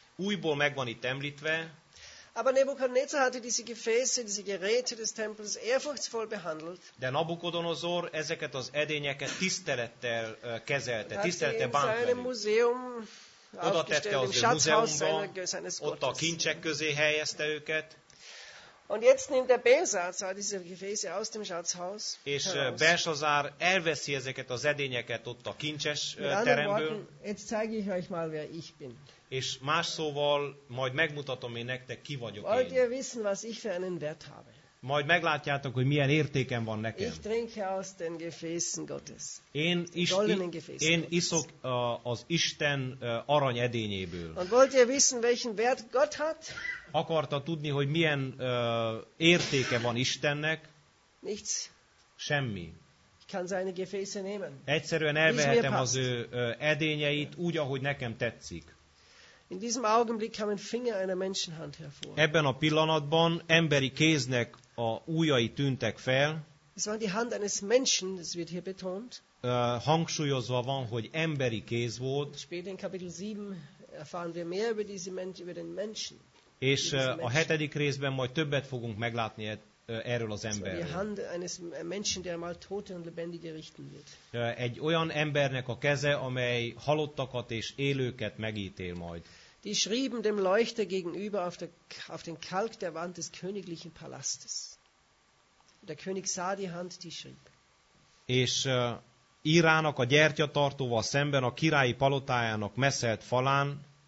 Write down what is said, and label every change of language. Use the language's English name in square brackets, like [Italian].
[Hungarian] Újból megvan itt említve. [German] Aber Nebukadnezar hatte diese Gefäße, diese Geräte des Tempels ehrfurchtsvoll behandelt. [Hungarian] De Nabukodonozor ezeket az edényeket tisztelettel kezelte, tisztelte bánta. [German] In seinem Museum, [Hungarian] oda tette az ő Museumban, ott a kincsek közé helyezte őket. [German] Und jetzt nimmt der Belsazar diese Gefäße aus dem Schatzhaus. [Hungarian] És Belsazár elveszi ezeket az edényeket ott a kincses teremből. [German] Jetzt zeige ich euch mal, wer ich bin. [Hungarian] És más szóval majd megmutatom én nektek, ki vagyok [German] Wollt [Hungarian] én. [German] Ihr wissen, was ich für einen Wert habe? [Hungarian] Majd meglátjátok, hogy milyen értékem van nekem. [German] Ich trinke aus den Gefäßen Gottes. [Hungarian] Én is, [German] goldenen Gefäßen [Hungarian] én Gottes. Iszok az Isten arany edényéből. [German] Und wollt ihr wissen, welchen Wert Gott hat? [Hungarian] Akarta tudni, hogy milyen értéke van Istennek? [German] Nichts. [Hungarian] Semmi. [German] Ich kann seine Gefäße nehmen. [Hungarian] Egyszerűen elvehetem az ő edényeit úgy, ahogy nekem tetszik. [German] In diesem Augenblick kam ein Finger einer Menschenhand hervor. [Hungarian] Ebben a pillanatban emberi kéznek a ujjai tűntek fel. [German] Es war die Hand eines Menschen, das wird hier betont. [Hungarian] Hangsúlyozva van, hogy emberi kéz volt. [German] Später in Kapitel 7 erfahren wir mehr über diese Menschen, über den Menschen. [Hungarian] És a hetedik részben majd többet fogunk meglátni erről az emberről. [German] Die Hand eines Menschen, der mal Tote und Lebendige richten wird. [Hungarian] Egy olyan embernek a keze, amely halottakat és élőket megítél majd. [German] Die schrieben dem Leuchter gegenüber auf den Kalk der Wand des königlichen Palastes. Der König sah die Hand, die schrieb. [Hungarian] És Írának a gyertyatartóval szemben a királyi palotájának meszelt falán.